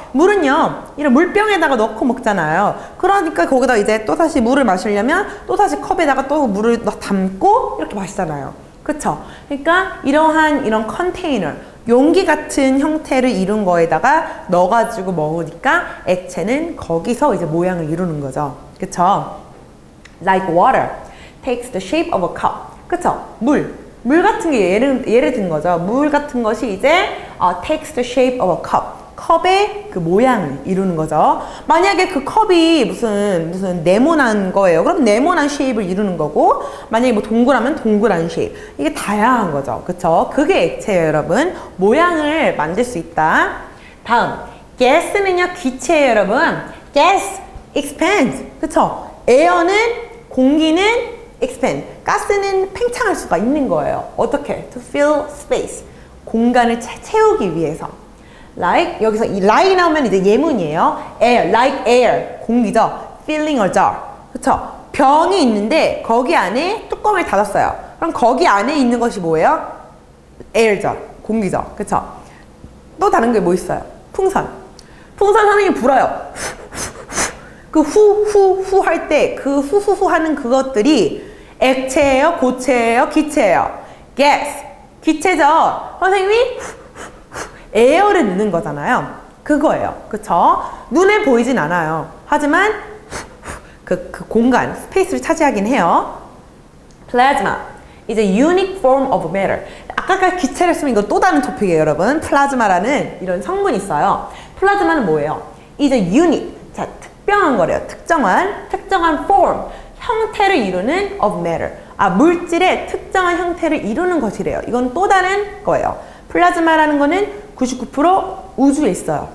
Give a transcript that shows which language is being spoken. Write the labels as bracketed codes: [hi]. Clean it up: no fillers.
[ko] 물은요, 이런 물병에다가 넣고 먹잖아요. 그러니까 거기다 이제 또다시 물을 마시려면 또다시 컵에다가 또 물을 담고 이렇게 마시잖아요. 그쵸? 그러니까 이러한 이런 컨테이너, 용기 같은 형태를 이룬 거에다가 넣어가지고 먹으니까 액체는 거기서 이제 모양을 이루는 거죠. 그쵸? [en] Like water takes the shape of a cup. 그쵸? 물. [ko] 물 같은 게 예를 든 거죠. 물 같은 것이 이제 [en] takes the shape of a cup. [ko] 컵의 그 모양을 이루는 거죠. 만약에 그 컵이 무슨 네모난 거예요. 그럼 네모난 쉐입을 이루는 거고, 만약에 뭐 동그라면 동그란 쉐입. 이게 다양한 거죠. 그쵸? 그게 액체예요, 여러분. 모양을 만들 수 있다. 다음, gas는요, 기체예요, 여러분. [en] gas, expand. [ko] 그쵸? 에어는, 공기는 expand. 가스는 팽창할 수가 있는 거예요. 어떻게? [en] to fill space. [ko] 공간을 채우기 위해서. Like, 여기서 이 like 나오면 이제 예문이에요. [en] air, like air, [ko] 공기죠. [en] filling a jar. [ko] 그쵸? 병이 있는데 거기 안에 뚜껑을 닫았어요. 그럼 거기 안에 있는 것이 뭐예요? air죠. 공기죠. 그쵸? 또 다른 게 뭐 있어요? 풍선. 풍선 선생님 불어요. 그 후후후 할 때 그 후후후 하는 그것들이 액체예요? 고체예요? 기체예요? gas. 기체죠. 선생님이 에어를 넣는 거잖아요. 그거예요. 그쵸? 눈에 보이진 않아요. 하지만 그 공간, 스페이스를 차지하긴 해요. [en] 플라즈마 is a unique form of matter. [ko] 아까 기체를 쓰면 이거 또 다른 토픽이에요, 여러분. 플라즈마라는 이런 성분이 있어요. 플라즈마는 뭐예요? [en] is a unique. [ko] 자, 특별한 거래요. 특정한 form. 형태를 이루는 of matter. 아, 물질의 특정한 형태를 이루는 것이래요. 이건 또 다른 거예요. 플라즈마라는 거는 99% 우주에 있어요.